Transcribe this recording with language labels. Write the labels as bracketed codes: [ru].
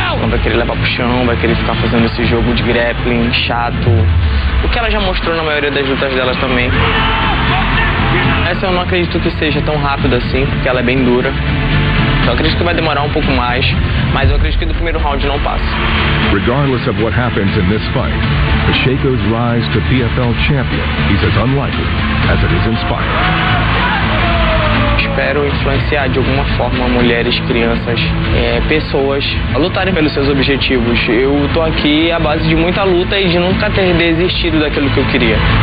[pt] Vai querer levar pro chão, vai querer ficar fazendo esse jogo de grappling chato. O que ela já mostrou na maioria das lutas dela também. Essa eu não acredito que seja tão rápido assim, porque ela é bem dura. Então eu acredito que vai demorar um pouco mais, mas eu acredito que do primeiro round não passa. [en] Regardless of what happens in this fight, Pacheco's rise to PFL champion is as unlikely as it is inspiring. [pt] Espero influenciar de alguma forma mulheres, crianças, pessoas a lutarem pelos seus objetivos. Eu tô aqui à base de muita luta e de nunca ter desistido daquilo que eu queria.